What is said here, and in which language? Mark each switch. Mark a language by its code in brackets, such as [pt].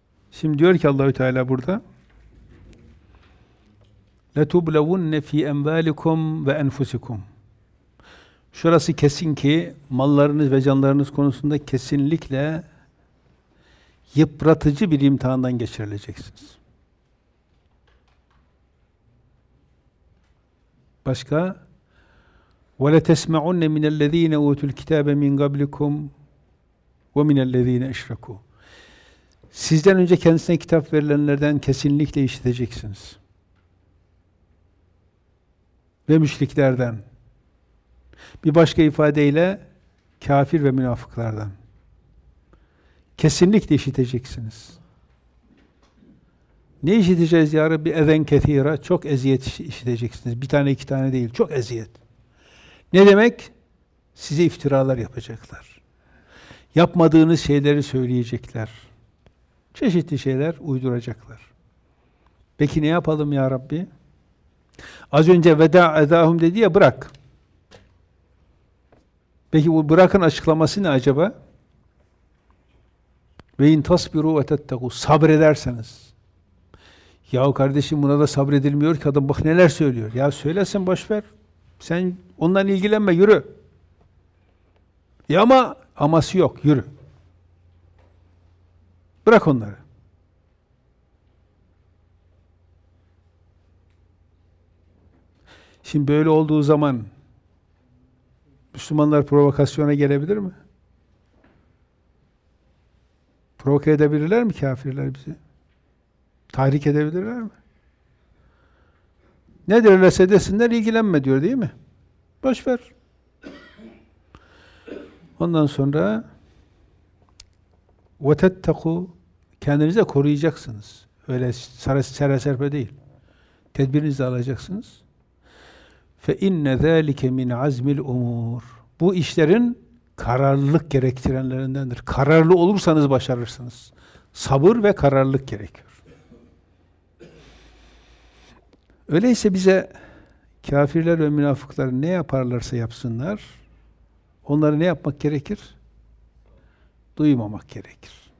[tr] Şimdi diyor ki Allahü Teala burada [ar] لَتُبْلَوُنَّ فِي أَمْوَالِكُمْ وَاَنْفُسِكُمْ [tr] Şurası kesin ki mallarınız ve canlarınız konusunda kesinlikle yıpratıcı bir imtihandan geçirileceksiniz. Başka [ar] وَلَا تَسْمَعُنَّ مِنَ الَّذ۪ينَ اُوتُ الْكِتَابَ مِنْ قَبْلِكُمْ وَمِنَ الَّذ۪ينَ اِشْرَكُوا [tr] Sizden önce kendisine kitap verilenlerden kesinlikle işiteceksiniz. Ve müşriklerden. Bir başka ifadeyle kafir ve münafıklardan. Kesinlikle işiteceksiniz. Ne işiteceğiz ya Rabbi? [ar] اَذَنْ كَث۪يرًا [tr] Çok eziyet işiteceksiniz. Bir tane iki tane değil. Çok eziyet. Ne demek? Size iftiralar yapacaklar. Yapmadığınız şeyleri söyleyecekler. Çeşitli şeyler uyduracaklar. Peki ne yapalım ya Rabbi? Az önce veda edahum dedi ya, bırak. Peki bu bırakın açıklaması ne acaba? [ar] وَاِنْ تَصْبِرُوا وَتَتَّقُوا [tr] Sabrederseniz. Yahu kardeşim, buna da sabredilmiyor ki adam, bak neler söylüyor. Ya söylesin, boşver. Sen ondan ilgilenme, yürü. Ya ama, aması yok, yürü. Bırak onları. Şimdi böyle olduğu zaman Müslümanlar provokasyona gelebilir mi? Provoke edebilirler mi kafirler bizi? Tahrik edebilirler mi? Ne derlerse desinler ilgilenme diyor değil mi? Boş ver. Ondan sonra وَتَتَّقُوا kendinize koruyacaksınız. Öyle sere serpe değil. Tedbirinizi alacaksınız. [ar] فَاِنَّ ذَٰلِكَ مِنْ عَزْمِ الْاُمُورِ [tr] bu işlerin kararlılık gerektirenlerindendir. Kararlı olursanız başarırsınız. Sabır ve kararlılık gerekiyor. Öyleyse bize kafirler ve münafıklar ne yaparlarsa yapsınlar, onları ne yapmak gerekir? Duymamak gerekir.